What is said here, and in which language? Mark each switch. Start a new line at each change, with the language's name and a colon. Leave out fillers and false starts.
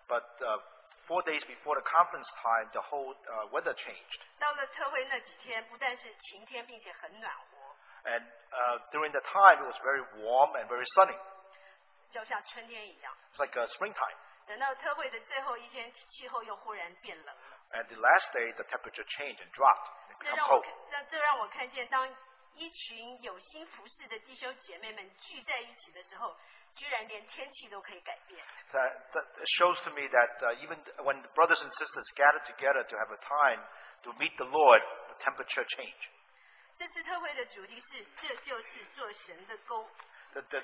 English: But 4 days before the conference time, the whole weather changed.
Chinese: 到了特会那几天，不但是晴天，并且很暖和。
English: And during the time, it was very warm and very sunny.
Chinese: 就像春天一样,
English: it's like a springtime.
Chinese: 等到特会的最后一天, 气候又忽然变冷了,
English: and the last day, the temperature changed and dropped.
Chinese: 这让我看见，当一群有心服侍的弟兄姐妹们聚在一起的时候, 居然连天气都可以改变。
English: That shows to me that even when the brothers and sisters gathered together to have a time to meet the Lord, the temperature changed.
Chinese: 这次特会的主题是这就是做神的工。
English: The